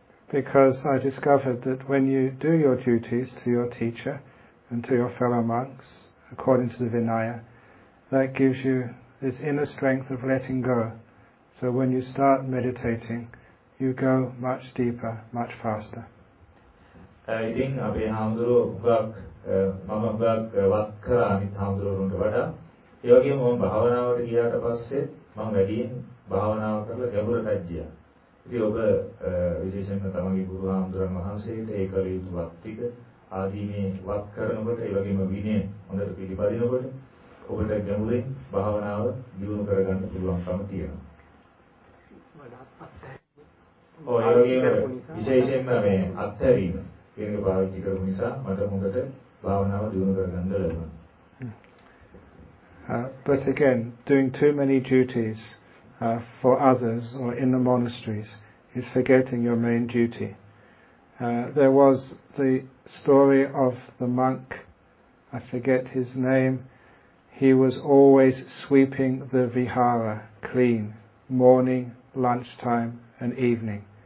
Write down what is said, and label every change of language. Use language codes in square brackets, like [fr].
[en] Because I discovered that when you do your duties to your teacher and to your fellow monks according to the Vinaya, that gives you this inner strength of letting go. So when you start meditating, you go much deeper, much faster. I think [si] අපේ හාමුදුරුවෝ උගක් මම උගක් වත් කරා අනිත් හාමුදුරුවන්ට වඩා. ඒ වගේම මම භාවනාවට ගියාට පස්සේ මම වැඩියෙන් භාවනාව කරලා ගැඹුරටත් ගියා. ඉතින් ඔබ විශේෂයෙන්ම තමගේ ගුරු හාමුදුරන් වහන්සේට ඒ කල යුතු වත් ටික ආදීනේ වත් කරනකොට ඒ වගේම විනය හොඳට පිළිපදිනකොට ඔබට ගැඹුරින් භාවනාව දියුණු කරගන්න පුළුවන්කම තියෙනවා. ඔය වගේම විශේෂයෙන්ම මේ අත්හැරීම කියන එක පාවිච්චි කරපු නිසා මට හොඳට භාවනාව දියුණු කරගන්න ලැබුණා. [en] But again, doing too many duties for others or in the monasteries is forgetting your main duty. There was the story of the monk, I forget his name, he was always sweeping the vihara clean, morning, lunchtime and evening.